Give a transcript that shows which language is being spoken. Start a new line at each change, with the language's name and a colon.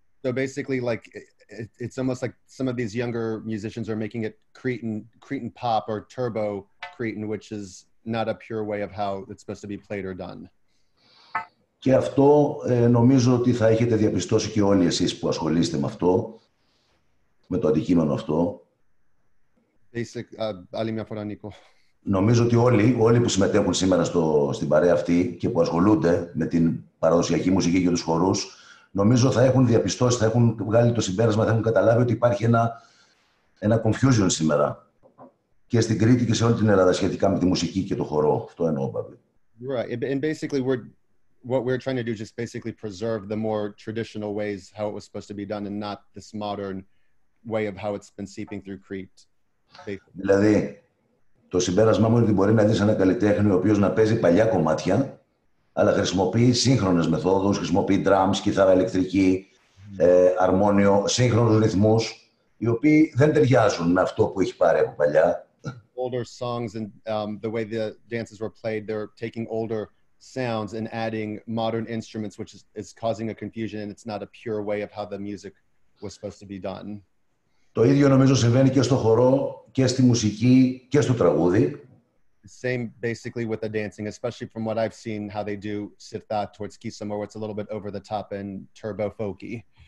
English: So basically, like, it's almost like some of these younger musicians are making it Cretan pop or turbo Cretan, which is not a pure way of how it's supposed to be played or done.
Greek: Και αυτό νομίζω ότι θα έχετε διαπιστώσει και όλοι εσείς που ασχολείστε με αυτό, με το αντικείμενο αυτό. Basic, άλλη μια φορά, Νίκο. Νομίζω ότι όλοι που συμμετέχουν σήμερα στην παρέα αυτή και που ασχολούνται με την παραδοσιακή μουσική και τους χορούς, νομίζω θα έχουν διαπιστώσει, θα έχουν βγάλει το συμπέρασμα, θα έχουν καταλάβει ότι υπάρχει ένα confusion σήμερα και στην Κρήτη και σε όλη την Ελλάδα σχετικά με τη μουσική και το χορό. Αυτό εννοώ, Παύλη.
English: Right. And basically, what we're trying to do is just basically preserve the more traditional ways how it was supposed to be done and not this modern way of how it's been seeping through Crete.
Greek: Δηλαδή, το συμπέρασμά μου είναι ότι μπορεί να δεις ένα καλλιτέχνη ο οποίος να παίζει παλιά κομμάτια, αλλά χρησιμοποιεί σύγχρονες μεθόδους, χρησιμοποιεί drums, κιθάρα ηλεκτρική, αρμόνιο, σύγχρονους ρυθμούς, οι οποίοι δεν ταιριάζουν με αυτό που έχει πάρει από παλιά.
English: Older songs and the way the dances were played, they're taking older sounds and adding modern instruments, which is causing a confusion and it's not a pure way of how the music was supposed to be done.
Greek: Το ίδιο νομίζω συμβαίνει και στο χορό, και στη μουσική, και στο τραγούδι.
English: Same basically with the dancing, especially from what I've seen, how they do sit that towards Kisamo, where it's a little bit over the top and turbo folky.